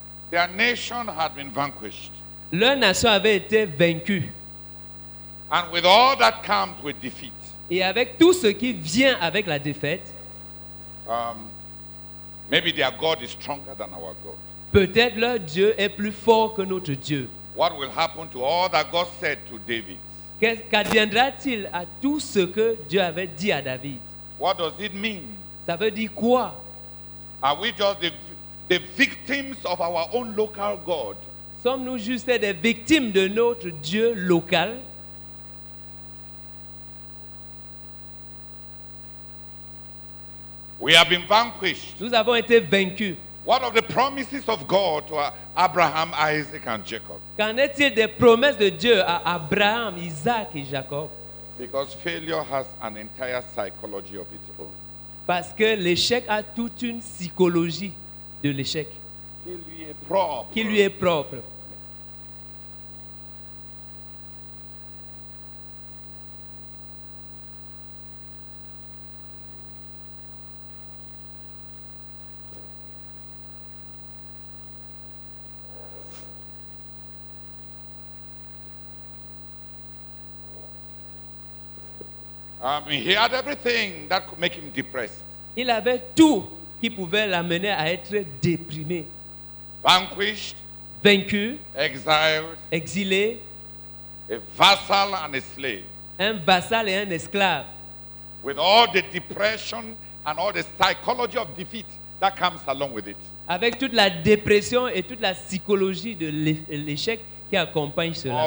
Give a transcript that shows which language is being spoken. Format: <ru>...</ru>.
<en>Their nation had been vanquished.</en> <fr>Leur nation avait été vaincue.</fr> <en>And with all that comes with defeat.</en> <fr>Et avec tout ce qui vient avec la défaite.</fr> <en>Maybe their God is stronger than our God.</en> <fr>Peut-être leur Dieu est plus fort que notre Dieu.</fr> <en>What will happen to all that God said to David?</en> <fr>Qu'adviendra-t-il à tout ce que Dieu avait dit à David?</fr> <en>What does it mean?</en> <fr>Ça veut dire quoi?</fr> <en>Are we just the victims of our own local God?</en> <fr>Sommes-nous juste des victimes de notre Dieu local?</fr> <en>We have been vanquished.</en> <fr>Nous avons été vaincus.</fr> <en>What of the promises of God to Abraham, Isaac, and Jacob?</en> <fr>Qu'en est-il des promesses de Dieu à Abraham, Isaac et Jacob?</fr> <en>Because failure has an entire psychology of its own.</en> <fr>Parce que l'échec a toute une psychologie de l'échec. Qui lui est propre.</fr> <en>He had everything that could make him depressed.</en> <fr>Il avait tout qui pouvait l'amener à être déprimé.</fr> <en>Vanquished,</en> <fr>vaincu,</fr> <en>exiled,</en> <fr>exilé,</fr> <en>a vassal and a slave.</en> <fr>Un vassal et un esclave.</fr> <en>With all the depression and all the psychology of defeat that comes along with it.</en> <fr>Avec toute la dépression et toute la psychologie de l'échec qui accompagne cela.</fr>